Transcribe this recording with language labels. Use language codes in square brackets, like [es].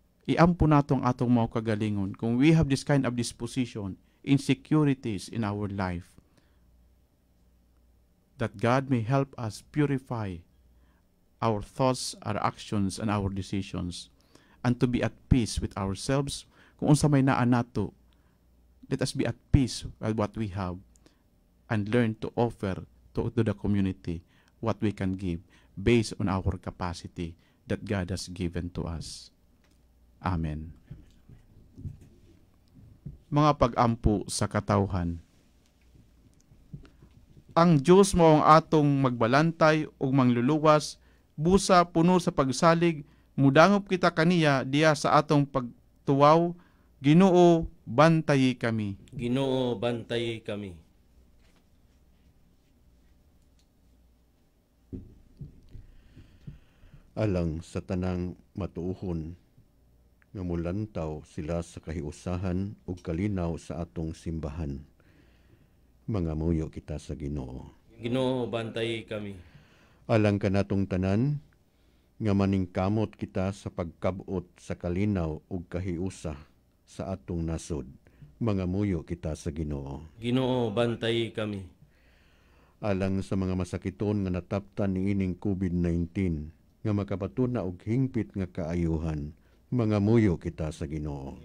[ceb] Iampo natong atong mga kagalingon kung [en] we have this kind of disposition, insecurities in our life, that God may help us purify our thoughts, our actions, and our decisions, and to be at peace with ourselves. [ceb] Kung unsa may naa nato, [en] let us be at peace with what we have and learn to offer to the community what we can give based on our capacity that God has given to us. Amen. [ceb] Mga pag-ampo sa katawhan, ang Diyos mao ang atong magbalantay ug mangluluwas, busa puno sa pagsalig, mudangop kita kaniya diya sa atong pagtuwaw. Ginoo, bantayi kami. Ginoo, bantayi kami. Alang sa tanang matuuhon nga mulantaw sila sa kahiusahan ug kalinaw sa atong simbahan. Mangamuyo kita sa Ginoo. Ginoo, bantayi kami. Alang kanatong tanan nga maningkamot kita sa pagkabot sa kalinaw ug kahiusa sa atong nasod. Mangamuyo kita sa Ginoo. Ginoo, bantayi kami. Alang sa mga masakiton nga nataptan niining COVID-19 nga makapatuna og hingpit nga kaayuhan, mangamuyo kita sa Ginoo.